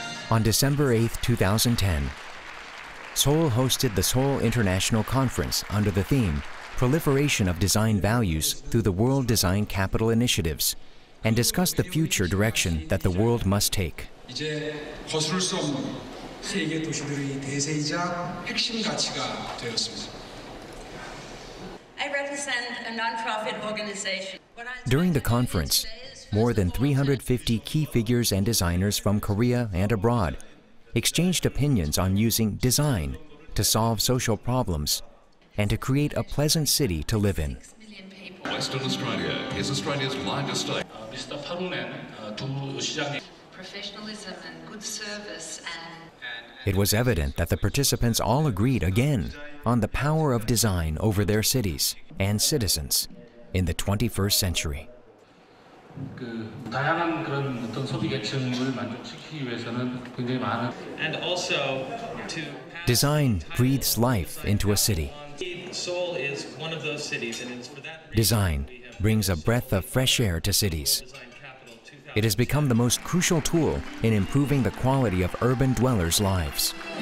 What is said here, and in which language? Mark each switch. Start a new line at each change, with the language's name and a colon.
English: On December 8, 2010, Seoul hosted the Seoul International Conference under the theme Proliferation of Design Values through the World Design Capital Initiatives and discussed the future direction that the world must take.
Korean: 이제 거슬 수 없는 세계 도시들의 대세이자 핵심 가치가 되었습니다.
English: I represent a non-profit organization. During the conference, more than 350 key figures and designers from Korea and abroad exchanged opinions on using design to solve social problems and to create a pleasant city to live in. Western Australia is Australia's largest state. Mr. Parliament, professionalism and good service and... It was evident that the participants all agreed again on the power of design over their cities and citizens in the 21st century.
Korean: 그 다양한 그런 어떤 소비 계층을 만족시키기 위해서는 굉장히 많은
English: And also to design breathes life into a city. Seoul is one of those cities and it's for that reason design brings a breath of fresh air to cities. It has become the most crucial tool in improving the quality of urban dwellers' lives.